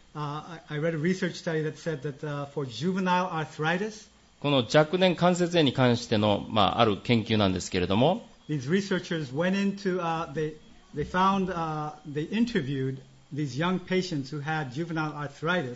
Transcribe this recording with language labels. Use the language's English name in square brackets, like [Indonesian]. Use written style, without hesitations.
[English] I read a research study that said that for juvenile arthritis, [Japanese] この若年関節炎に関しての、まあ、ある研究なんですけれども、 [English] these researchers went into, they found, they interviewed these young patients who had juvenile arthritis.